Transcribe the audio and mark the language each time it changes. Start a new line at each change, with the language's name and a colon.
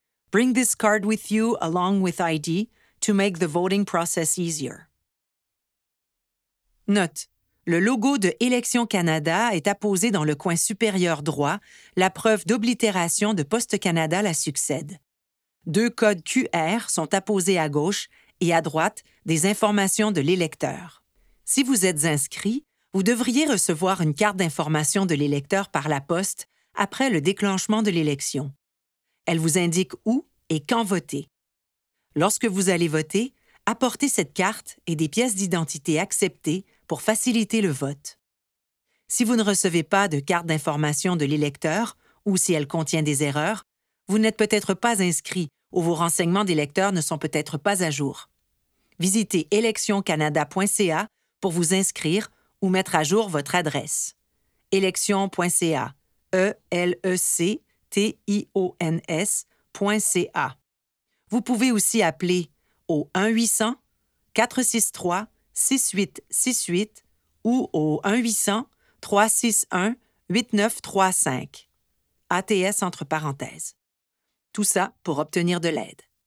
English: Bring this card with you along with ID to make the voting process easier.
French: Note, le logo de Élections Canada est apposé dans le coin supérieur droit. La preuve d'oblitération de Poste Canada la succède. Deux codes QR sont apposés à gauche et à droite des informations de l'électeur. Si vous êtes inscrit, vous devriez recevoir une carte d'information de l'électeur par la poste après le déclenchement de l'élection. Elle vous indique où et quand voter. Lorsque vous allez voter, apportez cette carte et des pièces d'identité acceptées pour faciliter le vote. Si vous ne recevez pas de carte d'information de l'électeur ou si elle contient des erreurs, vous n'êtes peut-être pas inscrit ou vos renseignements d'électeur ne sont peut-être pas à jour. Visitez electioncanada.ca pour vous inscrire ou mettre à jour votre adresse. Election.ca, E-L-E-C-T-I-O-N-S.ca. Vous pouvez aussi appeler au 1-800-463-6868 ou au 1-800-361-8935. ATS entre parenthèses. Tout ça pour obtenir de l'aide.